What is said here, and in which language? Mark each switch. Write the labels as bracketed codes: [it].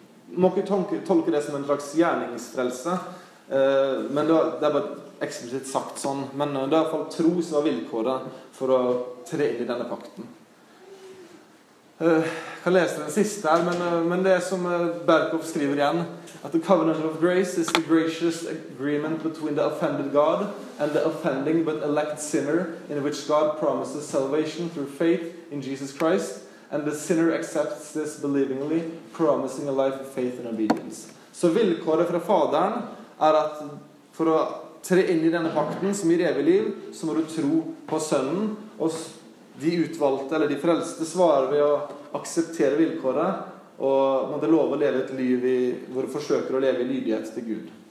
[sv] Måste tolka det som en slags gärningsfrälse. Men det var explicit sagt sån. Men det är i alla fall tro som var villkoret för att träda i denna pakten. Jag kan läsa den sista här. Men det är som Berkhoff skriver igen. Att [en] the covenant of grace is the gracious agreement between the offended God and the offending but elect sinner in which God promises salvation through faith in Jesus Christ. And the sinner accepts this believingly, promising a life of faith and obedience. [sv] Så villkoret från fadern är att för att trä in i denna pakten som ger evigt liv, så måste du tro på sonen. Och de utvalda eller de frälste svarar vi att acceptera villkoret och måste lova att leva ett liv i våra försök att leva i lydighet till Gud.